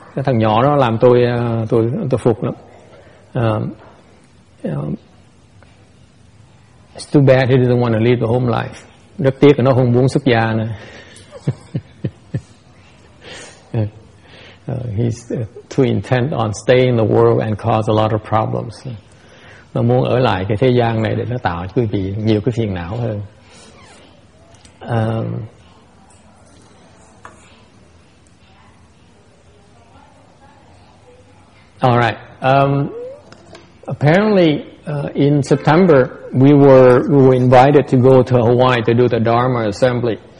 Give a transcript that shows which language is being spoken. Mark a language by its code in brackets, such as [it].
[vi] Cái thằng nhỏ nó làm tôi phục lắm. [en] It's too bad he doesn't want to leave the home life. [vi] Rất tiếc là nó không muốn xuất gia nữa. [en] He's too intent on staying in the world and cause a lot of problems. [vi] Nó muốn ở lại cái thế gian này để nó tạo cho quý vị nhiều cái phiền não hơn. [en] All right. Apparently, in September, we were invited to go to Hawaii to do the Dharma Assembly.